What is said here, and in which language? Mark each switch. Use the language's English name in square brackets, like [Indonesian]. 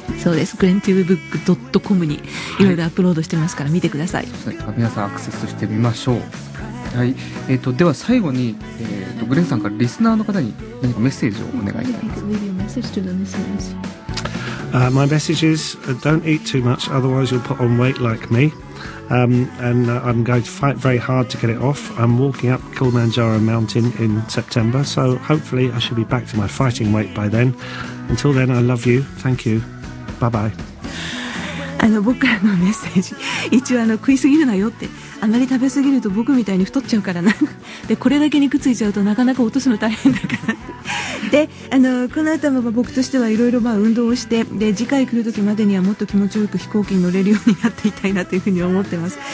[Japanese] そうです、 GlenTilbrook.com にいろいろアップロードしてますから見てください、はい、そうですね、皆さんアクセスしてみましょう。はい、では最後に、グレンさんからリスナーの方に何かメッセージをお願いします。 [English] My message is don't eat too much, otherwise you'll put on weight like me. I'm going to fight very hard to get it off. I'm walking up Kilimanjaro Mountain in September, so hopefully I should be back to my fighting weight by then. Until then, I love you. Thank you. Bye bye. [Japanese] 僕からのメッセージ、一応食いすぎるなよって、あまり食べすぎると僕みたいに太っちゃうからな、でこれだけ肉ついちゃうとなかなか落とすの大変だから、でこの後も僕としてはいろいろ運動をして、で次回来る時までにはもっと気持ちよく飛行機に乗れるようになっていたいなというふうに思ってます。